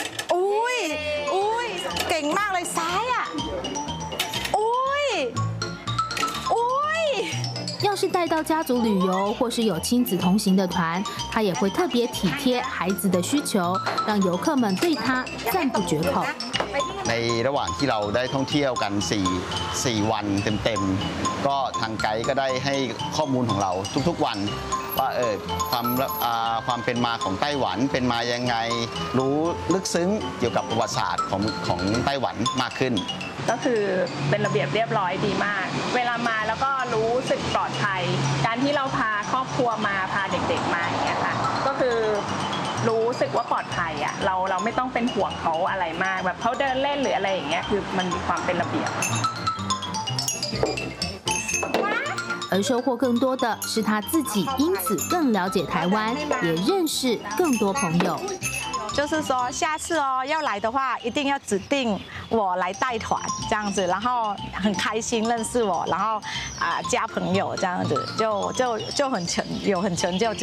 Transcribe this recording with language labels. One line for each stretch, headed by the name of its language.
Chinese: 喂喂，劲猛嘞，啥呀？喂喂，要是带到家族旅游或是有亲子同行的团，他也会特别体贴孩子的需求，让游客们对他赞不绝口。
Thai: ในระหว่างที่เราได้ท่องเที่ยวกัน4วันเต็มๆก็ทางไกด์ก็ได้ให้ข้อมูลของเราทุกๆวันว่าความเป็นมาของไต้หวันเป็นมายังไงรู้ลึกซึ้งเกี่ยวกับประวัติศาสตร์ของไต้หวันมากขึ้น ก็คือเป็นระเบียบเรียบร้อยดีมากเวลามาแล้วก็รู้สึกปลอดภัยการที่เราพาครอบครัวมาพาเด็กๆมาอย่างเงี้ยค่ะก็คือรู้สึกว่าปลอดภัยอ่ะเราไม่ต้องเป็นห่วงเขาอะไรมากแบบเขาเดินเล่นหรืออะไรอย่างเงี้ยคือมันมีความเป็นระเบียบ
Chinese: 而收获更多的是他自己，因此更了解台湾，也认识更多朋友。就是说，下次哦要来的话，一定要指定我来带团这样子，然后很开心认识我，然后加朋友这样子，就很成就。